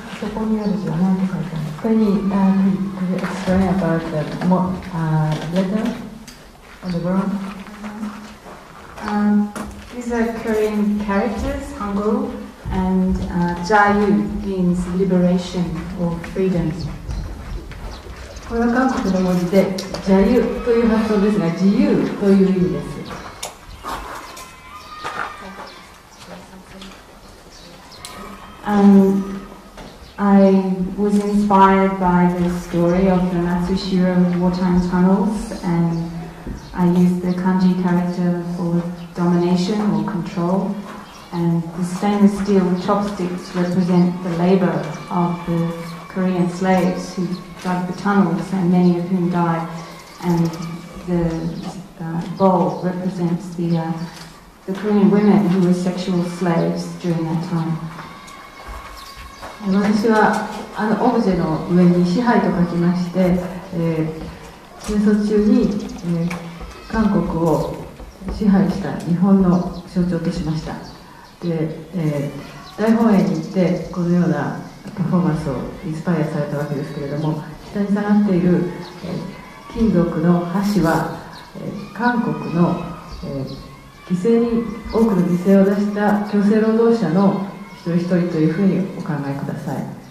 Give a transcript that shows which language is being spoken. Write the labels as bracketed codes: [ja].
[en] Can you explain about the letter on the ground? These are Korean characters, Hangul, and Jayu means liberation or freedom. [ja] これは韓国の文字で、自由という発想ですが、自由という意味です。 [en] I was inspired by the story of the Matsushiro wartime tunnels, and I used the kanji character for domination or control, and the stainless steel chopsticks represent the labor of the Korean slaves who dug the tunnels and many of whom died, and the bowl represents the Korean women who were sexual slaves during that time. [ja] 私はあのオブジェの上に支配と書きまして、戦争中に、韓国を支配した日本の象徴としました。で、大本営に行ってこのようなパフォーマンスをインスパイアされたわけですけれども、下に下がっている、金属の箸は、韓国の、犠牲に多くの犠牲を出した強制労働者の一人一人というふうにお考えください。